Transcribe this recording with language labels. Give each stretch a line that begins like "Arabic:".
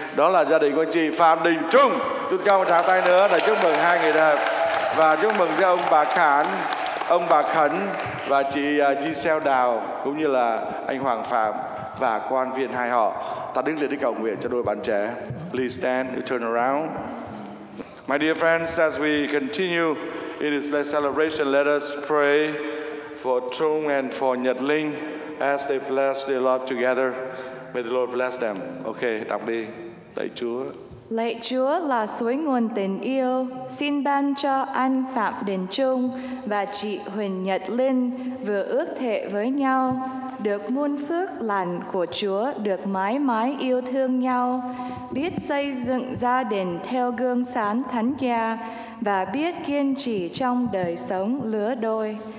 Vietnamese: Đó là gia đình của chị Phạm Đình Trung. Chúng ta một tràng tay nữa để chúc mừng hai người đẹp. Và chúc mừng cho ông bà Khản, ông bà Khẩn và chị Giselle Đào cũng như là anh Hoàng Phạm và quan viên hai họ. Ta đứng lên để cầu nguyện cho đôi bạn trẻ.
English: Please stand, you turn around. My dear friends, as we continue in this celebration, let us pray for Trung and for Nhật Linh as they bless their love together. May the Lord bless them. Okay,
Vietnamese: đọc đi. Lạy Chúa. Lạy Chúa là suối nguồn tình yêu, xin ban cho anh Phạm Đình Trung và chị Huỳnh Nhật Linh vừa ước thệ với nhau được muôn phước lành của Chúa, được mãi mãi yêu thương nhau, biết xây dựng gia đình theo gương sáng thánh gia và biết kiên trì trong đời sống lứa đôi.